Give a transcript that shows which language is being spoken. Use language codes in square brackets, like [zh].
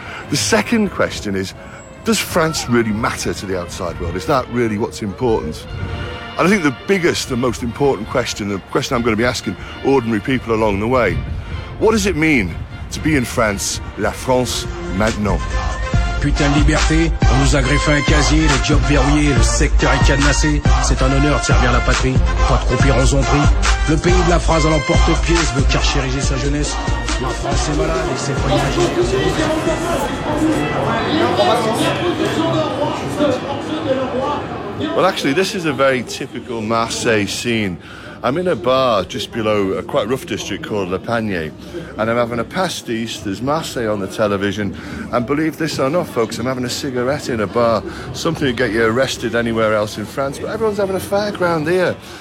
[en] The second question is, does France really matter to the outside world? Is that really what's important? And I think the biggest and most important question, the question I'm going to be asking ordinary people along the way, what does it mean to be in France, [fr] la France maintenant? Putain de liberté, on nous a greffé un casier, les jobs verrouillés, le secteur est cadenassé. C'est un honneur de servir la patrie, pas trop pire, on s'en prie. Le pays de la phrase à l'emporte-pièce veut carchériger sa jeunesse. La France est malade et c'est pas imaginé. [en] Well, actually, this is a very typical Marseille scene. I'm in a bar just below a quite rough district called Le Panier, and I'm having a pastis. There's Marseille on the television, and believe this or not, folks, I'm having a cigarette in a bar, something to get you arrested anywhere else in France, but everyone's having a fag round here.